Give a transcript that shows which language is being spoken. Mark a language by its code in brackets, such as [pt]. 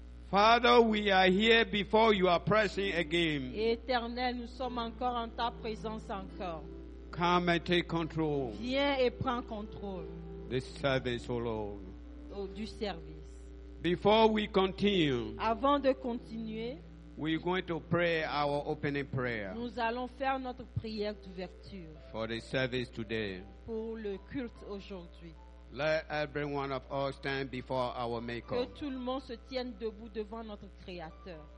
[en] Father, we are here before you are pressing again. [fr] Éternel, nous sommes encore en ta présence encore. [en] Come and take control. [fr] Viens et prends contrôle. [en] The service, oh Lord. [fr] Oh, du service. [en] Before we continue. [fr] Avant de continuer. [en] We're going to pray our opening prayer. [fr] Nous allons faire notre prière d'ouverture. [en] For the service today. [fr] Pour le culte aujourd'hui. [en] Let every one of us stand before our Maker. [fr] Que tout le monde se tienne debout devant notre Créateur.